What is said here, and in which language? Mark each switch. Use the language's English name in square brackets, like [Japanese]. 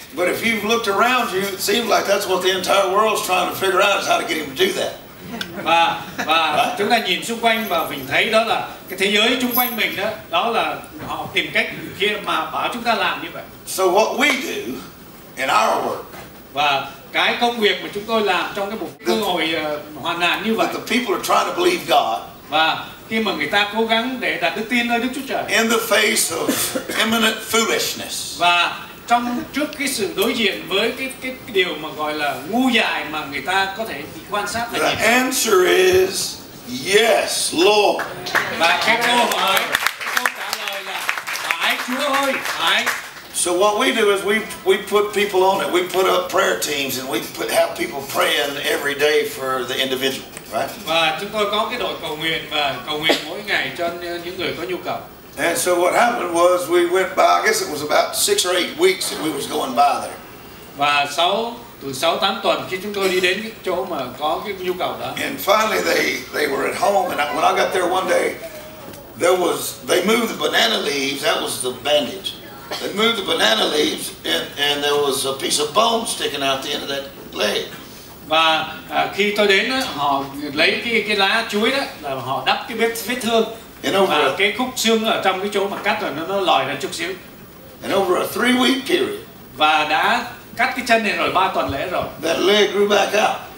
[English] But if you've looked around you, it seems like that's what the entire world's trying to figure out is how to get him to do that. [Vietnamese] Và chúng ta nhìn xung quanh và mình thấy đó là cái thế giới xung quanh mình đó, đó là họ tìm cách kia mà bảo chúng ta làm như vậy. [English] So what we do in our work. [Vietnamese] Và cái công việc mà chúng tôi làm trong cái một cơ hội hoàn nạn như vậy. [English] The people are trying to believe God. [Vietnamese] Và khi mà người ta cố gắng để đặt đức tin nơi Đức Chúa Trời. [English] In the face of imminent foolishness. [Vietnamese] Và trước cái sự đối diện với cái điều mà gọi là ngu dại mà người ta có thể quan sát. [English] The answer is yes, Lord. [Vietnamese] Và câu trả lời là phải, Chúa ơi, phải. [English] So what we do is we put people on it. We put up prayer teams and have people praying every day for the individual, right? [Vietnamese] Và chúng tôi có cái đội cầu nguyện và cầu nguyện mỗi ngày cho những người có nhu cầu. [English] And so what happened was we went by. I guess it was about 6 or 8 weeks that we was going by there. [Vietnamese] Và từ sáu tám tuần khi chúng tôi đi đến cái chỗ mà có cái nhu cầu đó. [English] And finally they were at home and when I got there one day, they moved the banana leaves. That was the bandage. They moved the banana leaves and there was a piece of bone sticking out the end of that leg. [Vietnamese] Và khi tôi đến đó, họ lấy cái lá chuối đó là họ đắp cái vết thương. [English] And over [Vietnamese] và cái khúc xương ở trong cái chỗ mà cắt rồi nó lòi ra chút xíu. [English] And over a 3 week period. [Vietnamese] Và đã cắt cái chân này rồi 3 tuần lễ rồi. [English] That leg grew back up.